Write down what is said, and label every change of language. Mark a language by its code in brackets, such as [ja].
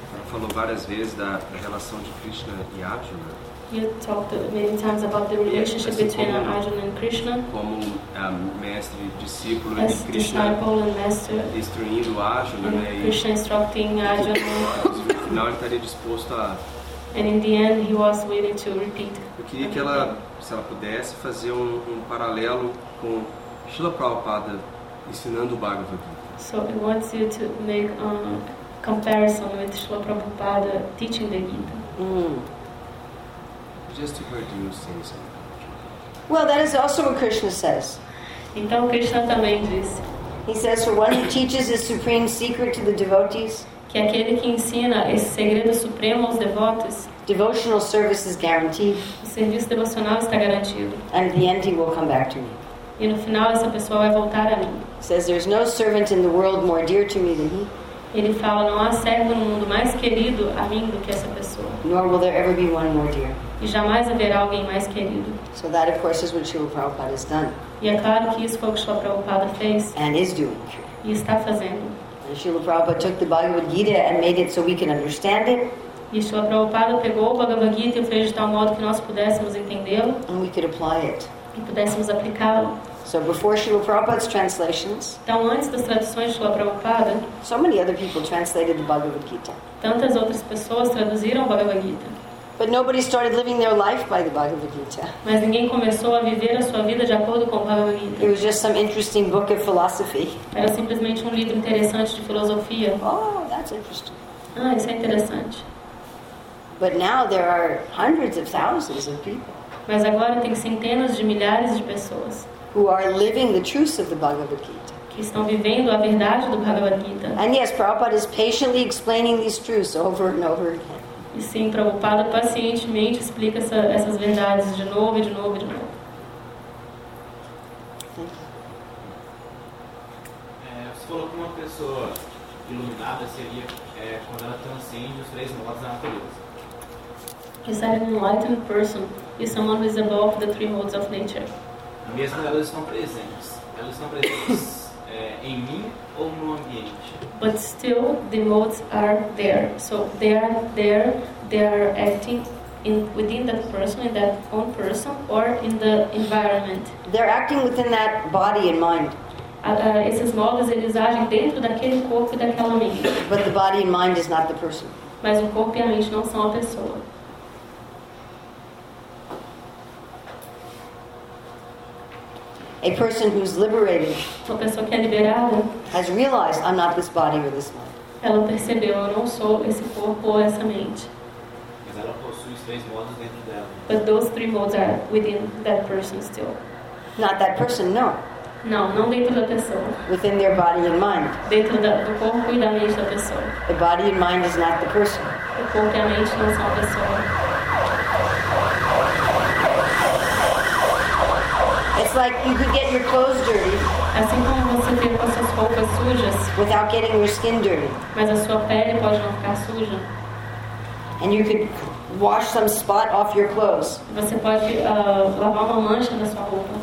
[pt] Falou várias vezes da relação de Krishna e Arjuna. [en] You talked many times about the relationship between Arjuna and Krishna. [pt] Como mestre e discípulo de Krishna. Instruindo Arjuna, né? [en] Krishna instructing Arjuna. [pt] No final, ele estaria disposto a. [en] And in the end, he was willing to repeat. [pt] Eu queria que ela, se ela pudesse, fazer um paralelo com Srila Prabhupada ensinando o Bhagavad Gita. [en] So he wants you to make a comparison with Srila Prabhupada teaching the Gita. Just to hear you say something. Well, that is also what Krishna says. [pt] Então Krishna também diz. [en] He says, for one who teaches his supreme secret to the devotees, [pt] que aquele que ensina esse segredo supremo aos devotos, [en] devotional service is guaranteed. [pt] O serviço devocional está garantido. [en] And in the end, he will come back to me. [pt] E no final essa pessoa vai voltar a mim. [en] Says there's no servant in the world more dear to me than he. [pt] Ele fala, não há servo no mundo mais querido a mim do que essa pessoa. [en] Nor will there ever be one more dear. [pt] E jamais haverá alguém mais querido. [en] So that of course is what Srila Prabhupada has done. [pt] E é claro que isso foi o que Srila Prabhupada fez. [en] And is doing. [pt] E está fazendo. [en] And Srila Prabhupada took the Bhagavad Gita and made it so we can understand it. [pt] E Srila Prabhupada pegou o Bhagavad Gita e o fez de tal modo que nós pudéssemos entendê-lo. [en] And we could apply it. [pt] E pudéssemos aplicá-lo. [en] So before Srila Prabhupada's translations, [pt] então, antes das traduções de Srila Prabhupada, [en] so many other people translated the Bhagavad Gita. [pt] Tantas outras pessoas traduziram o Bhagavad Gita. [en] But nobody started living their life by the Bhagavad Gita. [pt] Mas ninguém começou a viver a sua vida de acordo com o Bhagavad Gita. [en] It was just some interesting book of philosophy. [pt] Era simplesmente livro interessante de filosofia. [en] Oh, that's interesting. [pt] Ah, isso é interessante. [en] But now there are hundreds of thousands of people. [pt] Mas agora tem centenas de milhares de pessoas. [en] Who are living the truth of the Bhagavad Gita. [pt] Que estão vivendo a verdade do Bhagavad Gita. [en] And yes, Prabhupada is patiently explaining these truths over and over again. [pt] E sim, Prabhupada pacientemente explica essas verdades de novo e de novo e de novo. [en] Thank you. [pt] Você falou que uma pessoa iluminada seria quando ela transcende os três modos da natureza. [en] Is that an enlightened person is someone who is above the three modes of nature? [pt] Mesmo elas estão presentes em mim ou no ambiente. [en] But still, the modes are there. So they are there. They are acting within that person, in that own person, or in the environment. They're acting within that body and mind. [pt] Esses modos eles agem dentro daquele corpo e daquela mente. [en] But the body and mind is not the person. [pt] mas o corpo e a mente não são a pessoa. [en] A person who's liberated, [pt] uma pessoa que é liberada, [en] has realized I'm not this body or this mind. [pt] Ela percebeu, eu não sou esse corpo ou essa mente. Mas ela possui três modos dentro dela. [en] But those three modes are within that person still. Not that person, no. [pt] Não, não dentro da pessoa. [en] Within their body and mind. [pt] Dentro do corpo e da mente da pessoa. [en] The body and mind is not the person. [pt] O corpo e a mente não são a pessoa. [en] It's like you could get your clothes dirty. [pt] Assim como você tem com suas roupas sujas. [en] Without getting your skin dirty. [pt] Mas a sua pele pode não ficar suja. [en] And you could wash some spot off your clothes. [pt] Você pode lavar uma mancha da sua roupa.